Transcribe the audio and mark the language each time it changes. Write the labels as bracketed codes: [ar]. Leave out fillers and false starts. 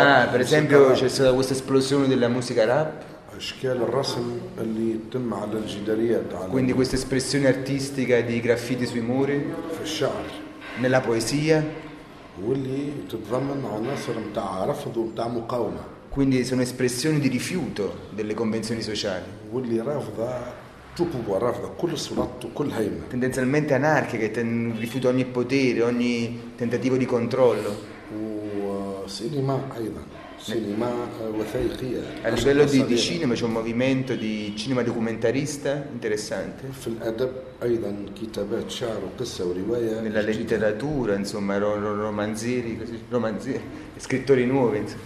[it] Per esempio c'è stata questa esplosione della musica rap. [ar] أشكال الرسم اللي تم على الجداريات. [it] Quindi questa espressione artistica di graffiti sui muri. [ar] في الشعر. [it] Nella poesia. [ar] واللي تتضمن عناصر متاع رفض ومتاع مقاومة. [it] Quindi sono espressioni di rifiuto delle convenzioni sociali. [ar] واللي رافضة تبوب ورافضة كل السلطة وكل هيمنة. [it] Tendenzialmente anarchiche, rifiuto ogni potere, ogni tentativo di controllo. [ar] وسينما أيضا. [it] A livello di cinema c'è un movimento di cinema documentarista interessante. Nella letteratura, insomma, romanzieri, scrittori nuovi.